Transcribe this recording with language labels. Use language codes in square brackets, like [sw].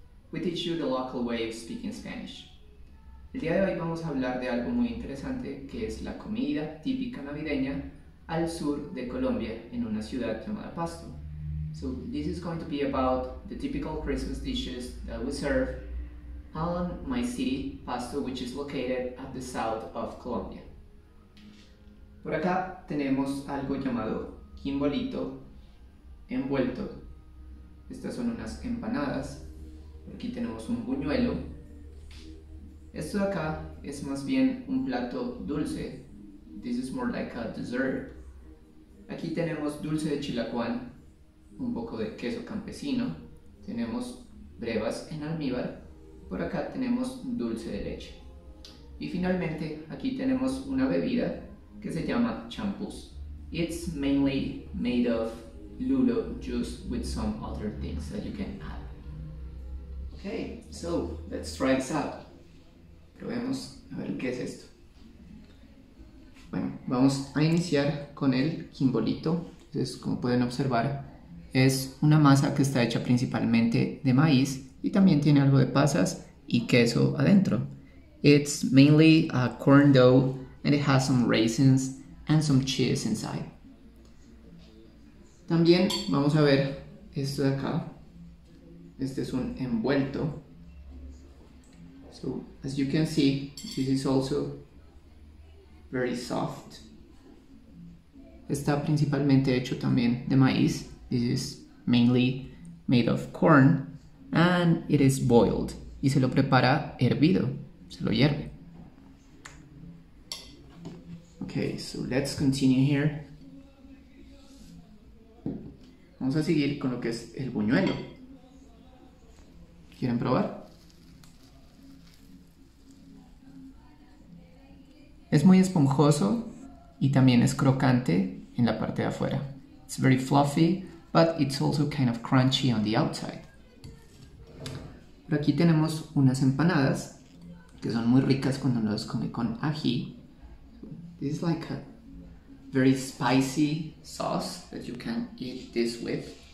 [en] We teach you the local way of speaking Spanish. [es] El día de hoy vamos a hablar de algo muy interesante que es la comida típica navideña al sur de Colombia en una ciudad llamada Pasto. [en] So this is going to be about the typical Christmas dishes that we serve on my city, Pasto, which is located at the south of Colombia. [es] Por acá tenemos algo llamado quimbolito envuelto. Estas son unas empanadas. Aquí tenemos un buñuelo. Esto de acá es más bien un plato dulce. [en] This is more like a dessert. [es] Aquí tenemos dulce de chilacuán, un poco de queso campesino. Tenemos brevas en almíbar. Por acá tenemos dulce de leche. Y finalmente, aquí tenemos una bebida que se llama champús. [en] It's mainly made of Lulo juice with some other things that you can add. Okay, so let's try this out. [es] Probemos a ver qué es esto. Bueno, vamos a iniciar con el quimbolito. Entonces, como pueden observar, es una masa que está hecha principalmente de maíz y también tiene algo de pasas y queso adentro. [en] It's mainly a corn dough and it has some raisins and some cheese inside. [es] También vamos a ver esto de acá. Este es un envuelto. [en] So, as you can see, this is also very soft. [es] Está principalmente hecho también de maíz. [en] This is mainly made of corn and it is boiled. [es] Y se lo prepara hervido, se lo hierve. [en] Okay, so let's continue here. [es] Vamos a seguir con lo que es el buñuelo. ¿Quieren probar? Es muy esponjoso y también es crocante en la parte de afuera. [en] It's very fluffy, but it's also kind of crunchy on the outside. [es] Por aquí tenemos unas empanadas que son muy ricas cuando uno las come con ají. [en] This is like a very spicy sauce that you can eat this with.